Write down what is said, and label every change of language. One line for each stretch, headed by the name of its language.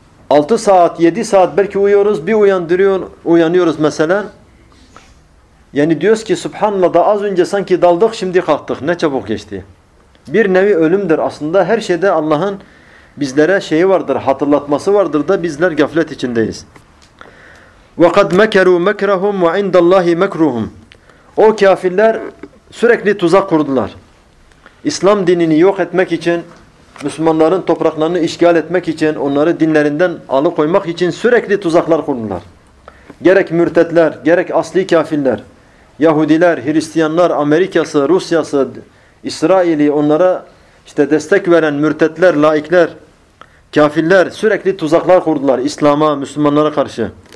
Turkish: 6 saat, 7 saat belki uyuyoruz. Bir uyanıyoruz mesela. Yani diyoruz ki Subhanallah, da az önce sanki daldık şimdi kalktık. Ne çabuk geçti. Bir nevi ölümdür. Aslında her şeyde Allah'ın bizlere şeyi vardır, hatırlatması vardır da bizler gaflet içindeyiz.
Arabic: وَقَدْ مَكَرُوا مَكْرَهُمْ وَعِنْدَ اللّٰهِ مَكْرُهُمْ.
Turkish: O kafirler sürekli tuzak kurdular. İslam dinini yok etmek için, Müslümanların topraklarını işgal etmek için, onları dinlerinden alıkoymak için sürekli tuzaklar kurdular. Gerek mürtetler, gerek asli kafirler, Yahudiler, Hristiyanlar, Amerika'sı, Rusya'sı, İsrail'i, onlara işte destek veren mürtetler, laikler, kafirler sürekli tuzaklar kurdular İslam'a, Müslümanlara karşı.